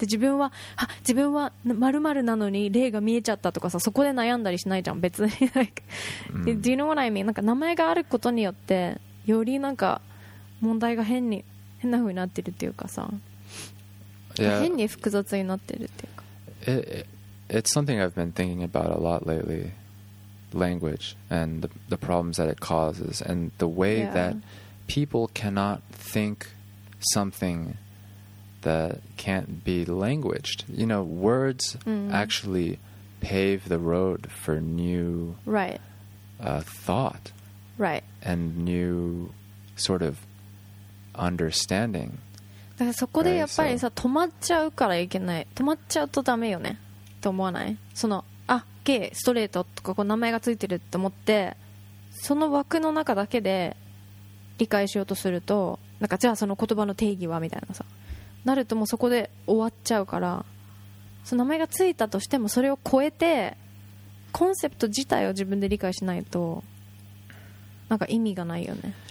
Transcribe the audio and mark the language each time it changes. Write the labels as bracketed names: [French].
[Japanese] で自分は丸々なのに霊が見えちゃったとかさそこで悩んだりしないじゃん別に。 [English] Do you know what I mean? [Japanese] なんか名前があることによってよりなんか問題が変な風になってるっていうかさ、 [English] yeah. [Japanese] 変に複雑になってるっていうか。 [English] It's something I've been thinking about a lot lately. Language and the problems that it causes and the way that people cannot think something that can't be languaged. You know, words actually pave the road for new thought and new sort of understanding. [Japanese] だからそこでやっぱりさ、止まっちゃうからいけない。止まっちゃうとダメよね。と思わない？その、あ、ゲイ、ストレートとかこう名前がついてるって思ってその枠の中だけで理解しようとするとなんかじゃあその言葉の定義はみたいなさなるともうそこで終わっちゃうからその名前がついたとしてもそれを超えてコンセプト自体を自分で理解しないとなんか意味がないよね。